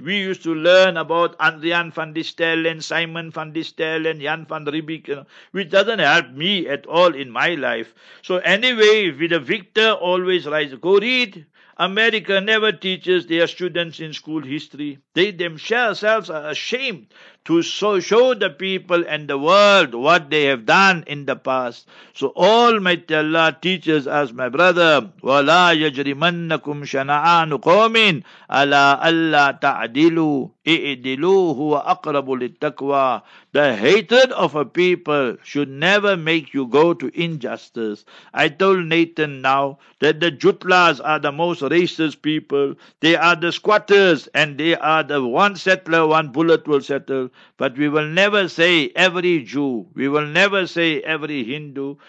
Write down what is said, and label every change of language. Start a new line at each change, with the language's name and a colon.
English: We used to learn about Adriaan van der Stel and Simon van der Stel and Jan van Riebeeck, you know, which doesn't help me at all in my life. So anyway, with the victor always rises. Go read. America never teaches their students in school history. They themselves are ashamed to show the people and the world what they have done in the past. So Almighty Allah teaches us, my brother,
Arabic: وَلَا يَجْرِمَنَّكُمْ شَنَعَانُ قَوْمٍ عَلَىٰ أَلَّا تَعْدِلُوا اِعْدِلُوا هُوَ أَقْرَبُ لِلتَّقْوَىٰ.
English: The hatred of a people should never make you go to injustice. I told Nathan now that the Jutlas are the most racist people. They are the squatters, and they are the one settler, one bullet will settle. But we will never say every Jew. We will never say every Hindu.